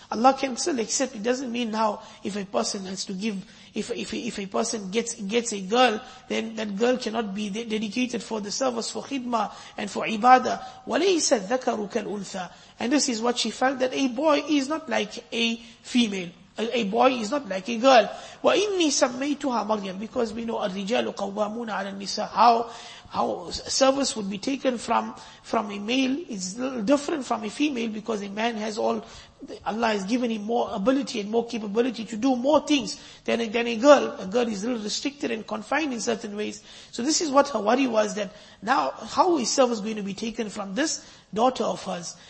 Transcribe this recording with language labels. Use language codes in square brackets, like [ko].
[en] Allah can still accept. It doesn't mean now if a person has to give, if a person gets a girl, then that girl cannot be dedicated for the service, for khidmah and for ibadah. [ar] وَلَيْسَ الذَّكَرُ كَالْأُنْثَى. [en] And this is what she felt, that a boy is not like a female. A boy is not like a girl. [ar] وَإِنِّي سَمَّيْتُهَا مَرْيَمْ. [en] Because we know [ar] الرِّجَالُ قَوَّامُونَ عَلَى النِّسَاءِ. [en] How service would be taken from a male is different from a female, because a man has all, Allah has given him more ability and more capability to do more things than a girl. A girl is a little restricted and confined in certain ways. So this is what her worry was, that now how is service going to be taken from this daughter of hers?